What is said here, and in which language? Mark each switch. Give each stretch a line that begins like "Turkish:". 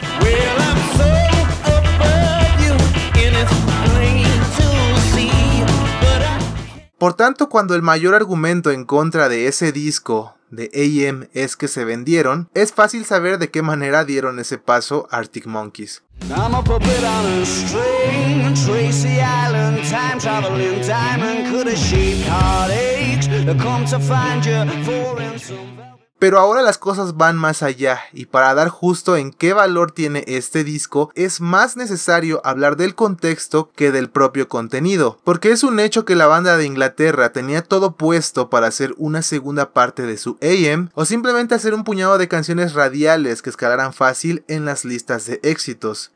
English: Well, I'm so above you, and it's plain to see, but I...
Spanish: Por tanto, cuando el mayor argumento en contra de ese disco de AM es que se vendieron, es fácil saber de qué manera dieron ese paso Arctic Monkeys.
English: I'm a puppet on a string, Tracy Island, time traveling diamond, could have shaped heartaches, come to find you for ransom.
Spanish: Pero ahora las cosas van más allá, y para dar justo en qué valor tiene este disco, es más necesario hablar del contexto que del propio contenido. Porque es un hecho que la banda de Inglaterra tenía todo puesto para hacer una segunda parte de su AM, o simplemente hacer un puñado de canciones radiales que escalaran fácil en las listas de éxitos.